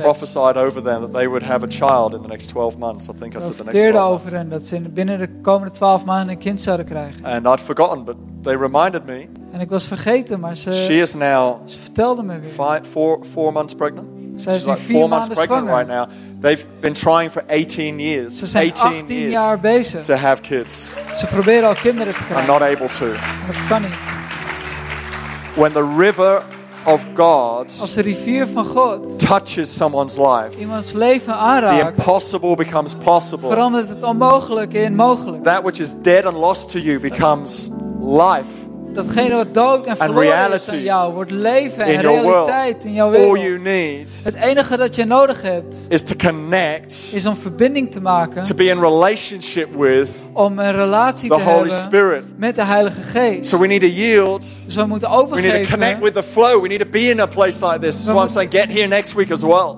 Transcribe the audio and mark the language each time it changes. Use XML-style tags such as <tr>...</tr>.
<en>I prophesied over them that they would have a child in the next 12 months. I think I said the next 12 months.</en> <nl>Over hen dat ze binnen de komende 12 maanden een kind zouden krijgen.</nl> <en>And I'd forgotten, but they reminded me.</en> <nl>En ik was vergeten, maar ze.</nl> <en>She is now.</en> <nl>Ze vertelde me weer.</nl> <en>Four months pregnant.</en> <nl>Zij is</nl> <en>She's</en> <nl>nu</nl> <en>like 4 months pregnant</en> <nl>zwanger.</nl> <en>Right now. They've been trying for 18 years.</en> <nl>Ze zijn</nl> <en>18 years</en> <nl>jaar bezig.</nl> <en>To have kids.</en> <nl>Ze proberen al kinderen te krijgen.</nl> <en>I'm not able to.</en> <nl>Dat kan niet.</nl> <en>When the river of God.</en> <nl>Als de rivier van God.</nl> <en>Touches someone's life.</en> <nl>Iemands leven aanraakt.</nl> <en>The impossible becomes possible.</en> <nl>Verandert het onmogelijke in mogelijk.</nl> <en>That which is dead and lost to you becomes life.</en> <nl>Datgene wat dood en verloren is aan jou wordt leven en realiteit in jouw wereld.</nl> <en>All you need</en> <nl>het enige dat je nodig hebt</nl> <en>is, to connect,</en> <nl>is om verbinding te maken</nl> <en>to be in relationship with</en> <nl>om een relatie</nl> <en>the</en> <nl>te</nl> <en>Holy</en> <nl>hebben</nl> <en>Spirit.</en> <nl>Met de Heilige Geest.</nl> <en>So we need to yield.</en> <nl>Dus we moeten overgeven.</nl> <en>We need to connect with the flow. We need to be in a place like this. That's why I'm saying get here next week as well.</en>